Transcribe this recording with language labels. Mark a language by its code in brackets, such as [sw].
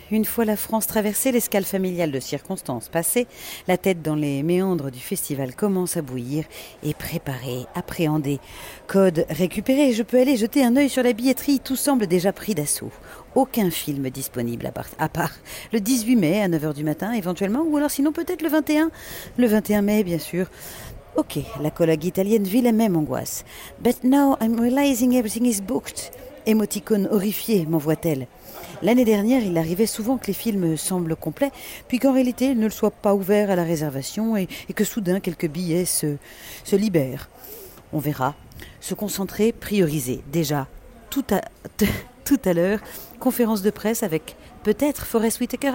[fr] Une fois la France traversée, l'escale familiale de circonstances passée, la tête dans les méandres du festival commence à bouillir et préparer, appréhender. Code récupéré, je peux aller jeter un œil sur la billetterie, tout semble déjà pris d'assaut. Aucun film disponible à part le 18 mai à 9h du matin éventuellement, ou alors sinon peut-être le 21. Le 21 mai bien sûr. Ok, la collègue italienne vit la même angoisse. [en] But now I'm realizing everything is booked. [fr] Émoticône horrifiée, m'envoie-t-elle. L'année dernière, il arrivait souvent que les films semblent complets, puis qu'en réalité, ils ne le soient pas ouverts à la réservation et que soudain, quelques billets se libèrent. On verra. Se concentrer, prioriser. Déjà, tout à l'heure, conférence de presse avec peut-être Forest Whitaker.